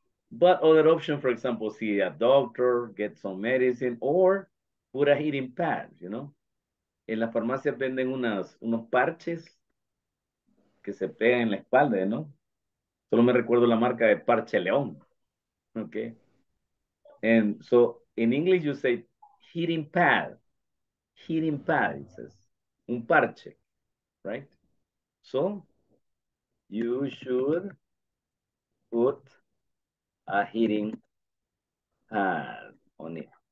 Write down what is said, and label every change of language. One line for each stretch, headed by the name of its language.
English: But other option, for example, see a doctor, get some medicine, or put a heating pad, you know?
Spanish: En las farmacias venden unos parches que se pegan en la espalda, ¿no? Solo me recuerdo la marca de Parche León.
English: Okay. And so in English you say heating pad. Heating pad, it says.
Spanish: Un parche.
English: Right? So you should put a heating pad on it.